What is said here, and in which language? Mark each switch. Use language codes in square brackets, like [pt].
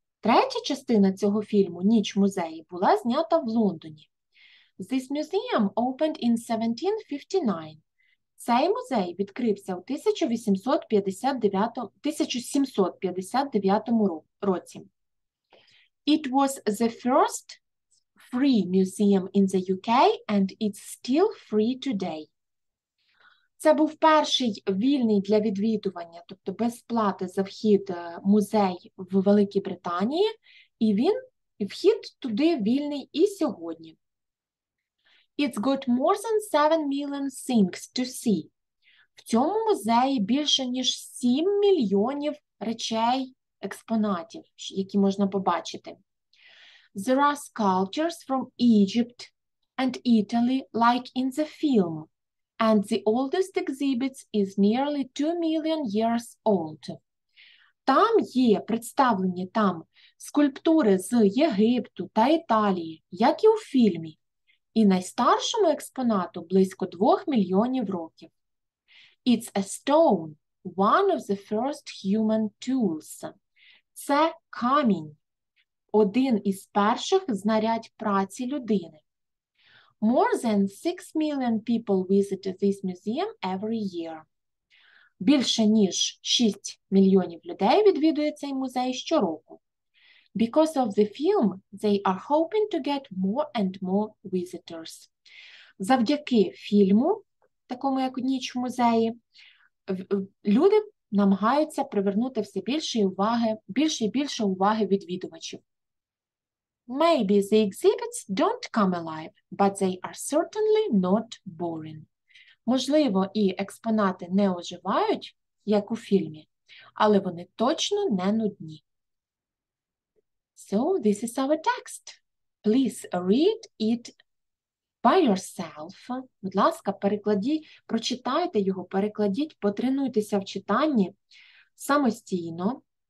[uk] Третя частина цього фільму «Ніч в музеї» була знята в Лондоні. [en] This museum opened in 1759. [uk] Цей музей відкрився у 1759 році. [en] It was the first free museum in the UK and it's still free today. [uk] Це був перший вільний для відвідування, тобто без плати за вхід музей в Великій Британії, і він вхід туди вільний і сьогодні. [en] It's got more than 7 million things to see. [uk] В цьому музеї більше ніж 7 мільйонів речей, експонатів, які можна побачити. [en] There are sculptures from Egypt and Italy, like in the film. And the oldest exhibit is nearly 2 million years old. [uk] Там є представлені там скульптури з Єгипту та Італії, як і у фільмі, і найстаршому експонату близько 2 мільйонів років. [en] It's a stone, one of the first human tools. [uk] Це камінь, один із перших знарядь праці людини. [en] More than 6 million people visit this museum every year. [uk] Більше ніж 6 мільйонів людей відвідує цей музей щороку. [en] Because of the film, they are hoping to get more and more visitors. [uk] Завдяки фільму, такому як «Ніч в музеї», люди намагаються привернути все більше уваги, більше і більше уваги відвідувачів. [en] Maybe the exhibits don't come alive, but they are certainly not boring. [uk] Можливо, і експонати не оживають, як у фільмі, але вони точно не нудні. [en] So, this is our text. Please read it by yourself. [uk] Будь ласка, перекладіть, прочитайте його, перекладіть, потренуйтеся в читанні самостійно.